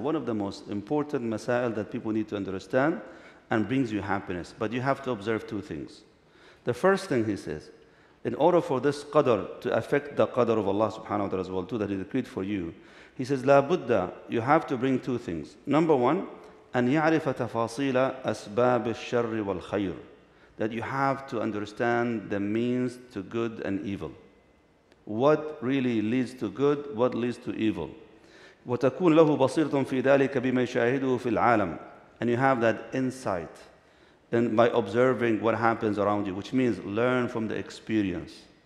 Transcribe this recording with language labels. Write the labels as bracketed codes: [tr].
[en] One of the most important masail that people need to understand and brings you happiness. But you have to observe two things. The first thing he says, in order for this qadr to affect the qadr of Allah subhanahu wa ta'ala as well too, that he decreed for you, he says, [ar] لَا بُدَّ, [en] you have to bring two things. Number one, [ar] أَنْ يَعْرِفَ تَفَاصِيلَ أَسْبَابِ الشَّرِّ وَالْخَيْرِ. [en] That you have to understand the means to good and evil. What really leads to good, what leads to evil. [ar] وَتَكُونَ لَهُ بَصِيرَةٌ فِي ذَلِكَ بِمَا يَشَاهِدُهُ فِي الْعَالَمِ. [en] And you have that insight in, by observing what happens around you, which means learn from the experience.